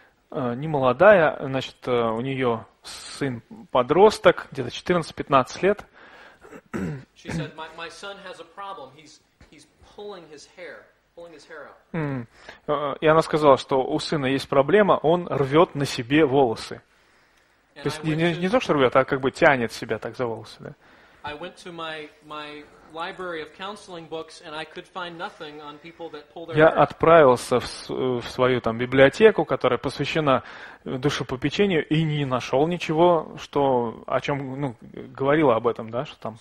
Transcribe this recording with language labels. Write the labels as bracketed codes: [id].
[ru] Немолодая, у нее сын-подросток, где-то 14-15 лет. [en] She said, my son has a problem. He's pulling his hair out. [ru] И она сказала, что у сына есть проблема, он рвет на себе волосы. То есть не то, что рвет, а тянет себя так за волосы. Да? [en] I went to my library of counseling books and I could find nothing on people that pull their hair. [ru] Я отправился в свою библиотеку, которая посвящена душепопечению, и не нашел ничего, о чем говорила об этом, да, что там.